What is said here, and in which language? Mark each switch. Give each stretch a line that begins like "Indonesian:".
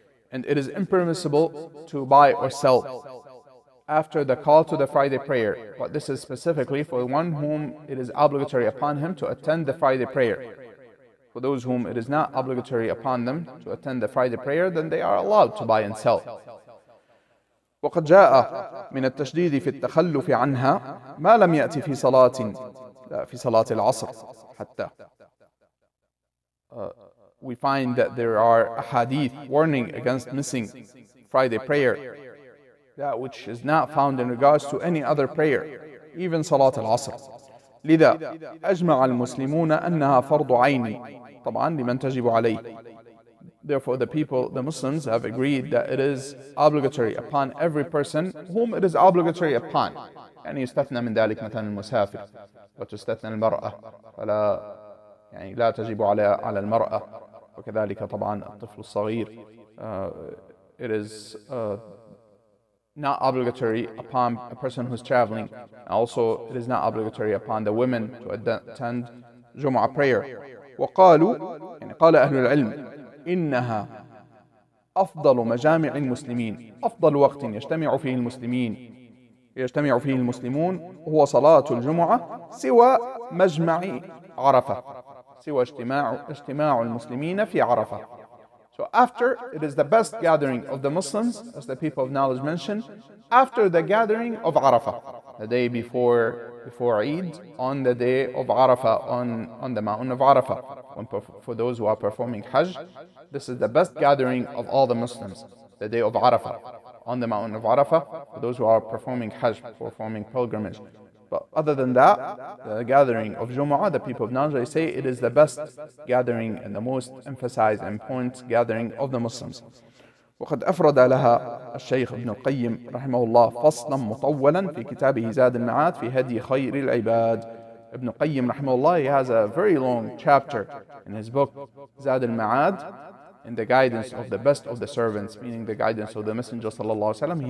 English: And it is impermissible to buy or sell after the call to the Friday prayer. But this is specifically for one whom it is obligatory upon him to attend the Friday prayer. For those whom it is not obligatory upon them to attend the Friday prayer, then they are allowed to buy and sell.
Arabic: وقد جاء من التشديد في التخلف عنها ما لم يأتي في صلاة في صلاة العصر حتى.
English: We find that there are ahadith warning against missing Friday prayer, that which is not found in regards to any other prayer, even صلاة العصر.
Arabic: لذا أجمع المسلمون أنها فرض عين طبعا لمن تجب عليه.
English: Therefore, the people, the Muslims, have agreed that it is obligatory upon every person whom it is obligatory upon.
Arabic: يعني يستثنى من ذلك مثلا المسافر وتستثنى المرأة فلا يعني لا تجب على المرأة وكذلك طبعا الطفل الصغير.
English: It is not obligatory upon a person who is traveling. Also, it is not obligatory upon the women to attend Jumu'ah prayer.
Arabic: وقالوا يعني قال أهل العلم إنها أفضل مجامع المسلمين، أفضل وقت يجتمع فيه المسلمين، يجتمع فيه المسلمون هو صلاة الجمعة سوى مجمع عرفة، سوى اجتماع المسلمين في عرفة.
English: So after it is the best gathering of the Muslims, as the people of knowledge mentioned, after the gathering of عرفة, the day before Eid, on the day of عرفة, on the mountain of عرفة. When for those who are performing Hajj, this is the best gathering of all the Muslims, the day of Arafah, on the mountain of Arafah, for those who are performing Hajj, performing pilgrimage. But other than that, the gathering of Jumu'ah, the people of Najd say it is the best gathering and the most emphasized and important gathering of the Muslims.
Arabic: وقد أفرد لها الشيخ ابن القيم رحمه الله فصلا مطولا في كتابه زاد المعاد في هدي خير العباد.
English: Ibn Qayyim rahimahullah, he has a very long chapter in his book Zad al-Ma'ad in the guidance of the best of the servants, meaning the guidance of the Messenger sallallahu alaihi wasallam.